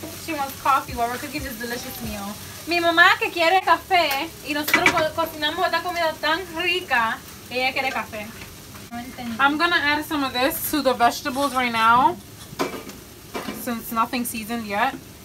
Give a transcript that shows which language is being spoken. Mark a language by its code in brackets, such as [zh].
[en] She wants coffee while we're cooking this delicious meal. [es] Mi mamá que quiere café y nosotros cocinamos esta comida tan rica. [en] I'm gonna add some of this to the vegetables right now since nothing's seasoned yet.